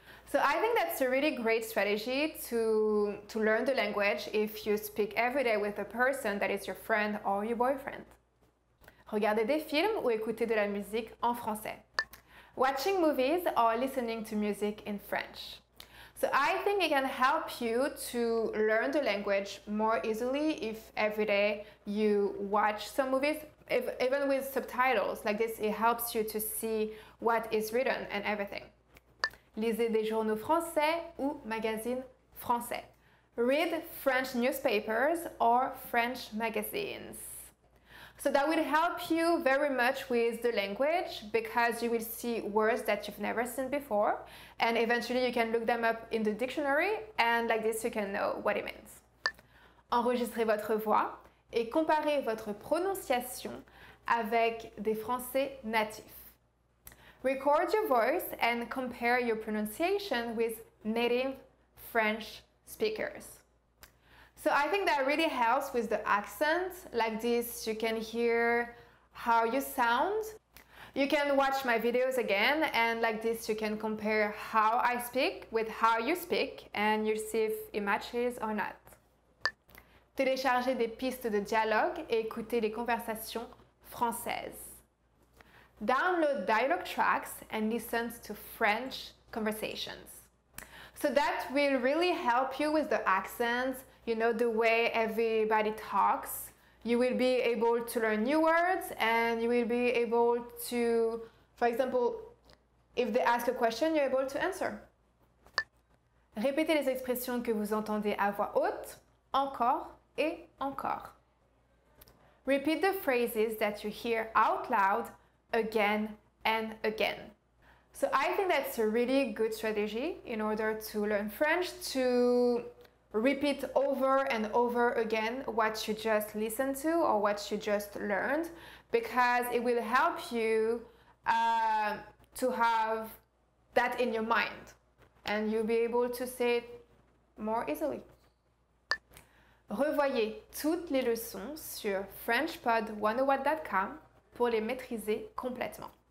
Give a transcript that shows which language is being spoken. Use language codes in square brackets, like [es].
[en] So I think that's a really great strategy to learn the language if you speak every day with a person that is your friend or your boyfriend. [fr] Regardez des films ou écoutez de la musique en français. [en] Watching movies or listening to music in French. So I think it can help you to learn the language more easily if every day you watch some movies, even with subtitles like this, it helps you to see what is written and everything. [fr] Lisez des journaux français ou magazines français. [en] Read French newspapers or French magazines. So that will help you very much with the language because you will see words that you've never seen before and eventually you can look them up in the dictionary and like this you can know what it means. [fr] Enregistrez votre voix et comparez votre prononciation avec des Français natifs. [en] Record your voice and compare your pronunciation with native French speakers. So I think that really helps with the accent. Like this, you can hear how you sound. You can watch my videos again, and like this, you can compare how I speak with how you speak, and you'll see if it matches or not. [fr] Téléchargez des pistes de dialogue et écoutez les conversations françaises. [en] download dialogue tracks and listen to French conversations. So that will really help you with the accents, you know, the way everybody talks. You will be able to learn new words and you will be able to, for example, if they ask a question, you're able to answer. [fr] Répétez les expressions que vous entendez à voix haute, encore et encore. [en] Repeat the phrases that you hear out loud again and again. So I think that's a really good strategy in order to learn French, to repeat over and over again what you just listened to or what you just learned, because it will help you to have that in your mind and you'll be able to say it more easily. [fr] Revoyez toutes les leçons sur FrenchPod101.com pour les maîtriser complètement.